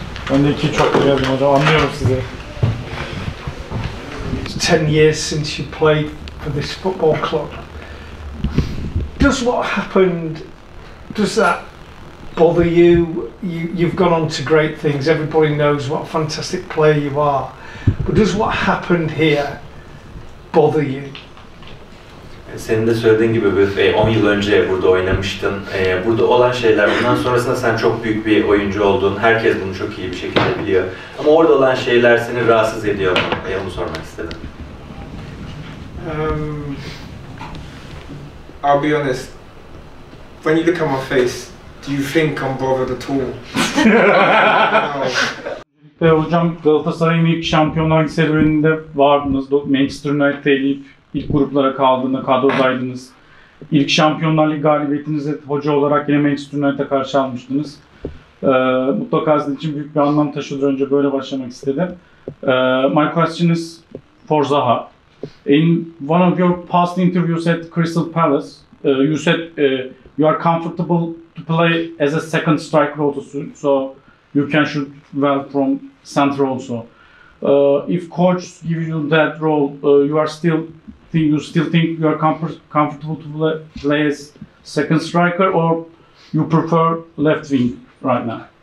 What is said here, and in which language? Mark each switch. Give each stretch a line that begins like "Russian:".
Turkish: Ben de iki çok geldim hocam, anlıyorum sizi.
English: 10 years since you played for this football club. Does what happened, does that bother you? You've gone on to great things. Everybody knows what a fantastic player you are. But does what happened here bother you?
Turkish: Senin de söylediğin gibi 10 yıl önce burada oynamıştın. Burada olan şeyler, bundan sonrasında sen çok büyük bir oyuncu oldun. Herkes bunu çok iyi bir şekilde biliyor. Ama orada olan şeyler seni rahatsız ediyor mu? Onu sormak istedim.
English: I'll be honest. When you look at my face, do you think I'm bothered at all?
Turkish: Ve hocam, Galatasaray'ın ilk Şampiyonlar Ligi serüveninde vardınız. Manchester United'ı eleyip ilk gruplara kaldığında kadrodaydınız. İlk Şampiyonlar Ligi galibiyetinizi hoca olarak yine Manchester United'a karşı almıştınız. Mutlaka sizin için büyük bir anlam taşıdır, önce böyle başlamak istedim.
English: My question is for Zaha. In one of your past interviews at Crystal Palace, you said you are comfortable to play as a second striker also, so you can shoot well from center also. If coach gives you that role, you still think you are comfortable to play as second striker, or you prefer left wing right now?